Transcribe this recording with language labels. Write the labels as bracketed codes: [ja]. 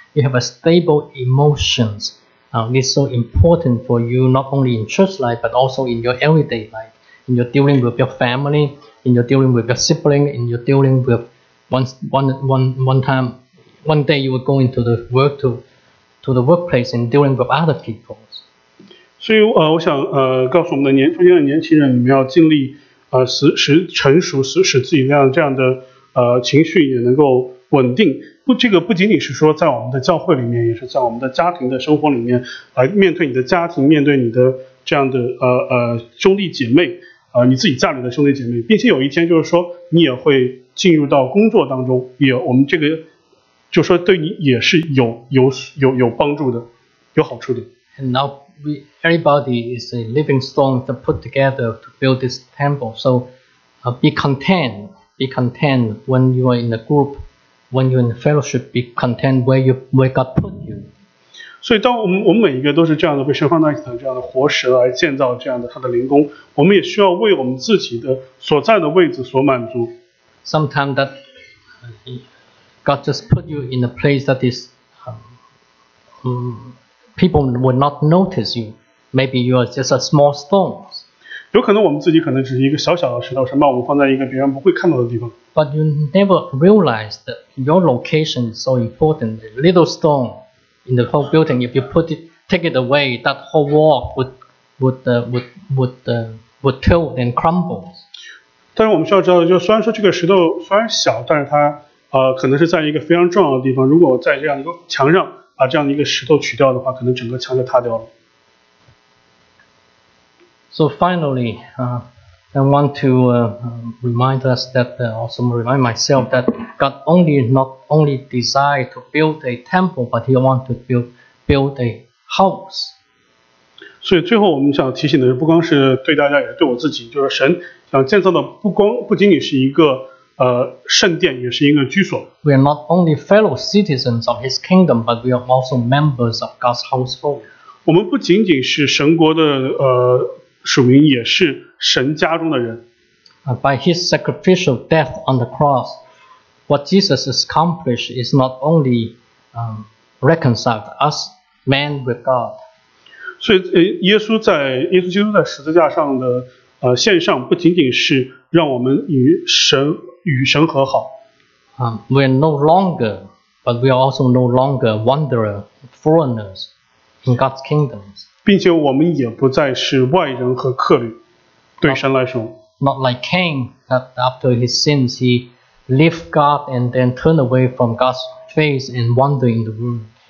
[en] You have a stable emotions. It's so important for you not only in church life but also in your everyday life. In your dealing with your family, in your dealing with your sibling, in your dealing with one day you will go into the work to the workplace and dealing with other people. [zh] 所以我想告诉我们的年轻的年轻人，你们要尽力使成熟，使自己这样的情绪也能够稳定。这个不仅仅是说在我们的教会里面，也是在我们的家庭的生活里面，来面对你的家庭，面对你的这样的兄弟姐妹，你自己家里的兄弟姐妹，并且有一天就是说你也会进入到工作当中，也我们这个就是说对你也是有帮助的，有好处的。 [en] And now everybody is a living stone to put together to build this temple. So be content when you are in a group, when you are in a fellowship, be content where God put you. [zh] 所以当我们每一个都是这样的被神放在一起的这样的活石来建造这样的他的灵宫，我们也需要为我们自己的所在的位置所满足。 [en] Sometimes that God just put you in a place that is people would not notice you. Maybe you are just a small stone. [zh] 有可能我们自己可能只是一个小小的石头，神把我们放在一个别人不会看到的地方。 [en] But you never realize that your location is so important. The little stone in the whole building, if you put it, take it away, that whole wall would tilt and crumble. [zh] 但是我们需要知道的就是，虽然说这个石头虽然小，但是它可能是在一个非常重要的地方。如果在这样一个墙上把这样的一个石头取掉的话，可能整个墙就塌掉了。 [en] So finally, I want to remind us that, also remind myself that God only not only desire to build a temple, but He want to build a house. [zh] 所以最后我们想提醒的是，不光是对大家，也是对我自己，就是神想建造的不仅仅是一个圣殿，也是一个居所。 [en] We are not only fellow citizens of His kingdom, but we are also members of God's household. [zh] 我们不仅仅是神国的属民，也是神家中的人。 [en] By His sacrificial death on the cross, what Jesus accomplished is not only reconciled us man with God. [zh] 所以耶稣基督在十字架上的献上不仅仅是让我们与神和好。 [en] We are no longer, but we are also no longer wanderers, foreigners in God's kingdom. [zh] 并且我们也不再是外人和客旅对神来说。 [en] Not like Cain, that after his sins he left God and then turned away from God's face and wandered in the world.